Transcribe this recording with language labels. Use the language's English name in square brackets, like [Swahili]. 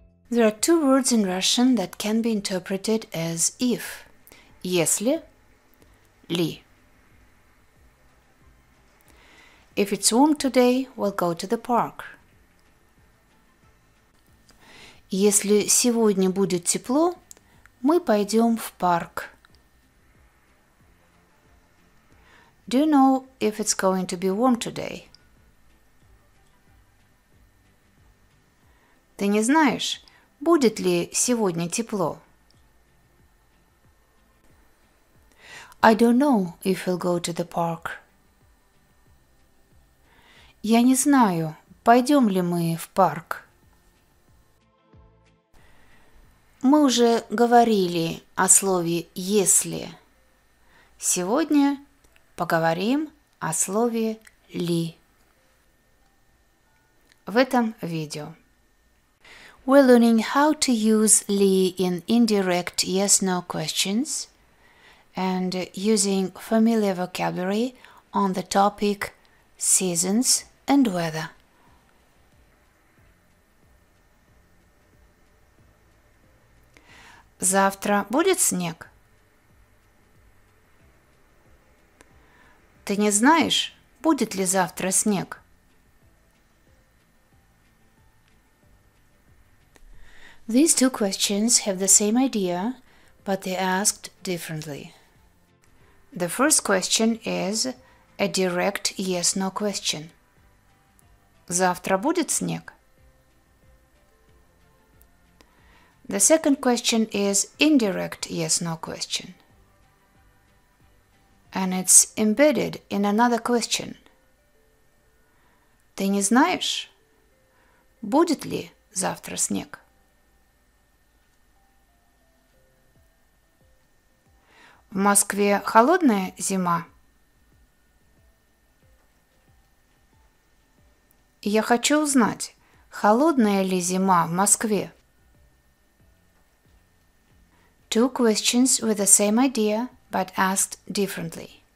[English] There are two words in Russian that can be interpreted as if. [Russian] Если, ли. [English] If it's warm today, we'll go to the park. [Russian] Если сегодня будет тепло, мы пойдем в парк. [English] Do you know if it's going to be warm today? [Russian] Ты не знаешь, будет ли сегодня тепло? [English] I don't know if we'll go to the park. [Russian] Я не знаю, пойдем ли мы в парк. Мы уже говорили о слове «если». Сегодня поговорим о слове «ли» в этом видео. [English] We're learning how to use «ли» in indirect yes-no questions and using familiar vocabulary on the topic «seasons» and «weather». [Russian] Завтра будет снег? Ты не знаешь, будет ли завтра снег? [English] These two questions have the same idea, but they're asked differently. The first question is a direct yes-no question. [Russian] Завтра будет снег? [English] The second question is indirect yes-no question. And it's embedded in another question. [Russian] Ты не знаешь, будет ли завтра снег? В Москве холодная зима? Я хочу узнать, холодная ли зима в Москве? [English] Two questions with the same idea, but asked differently.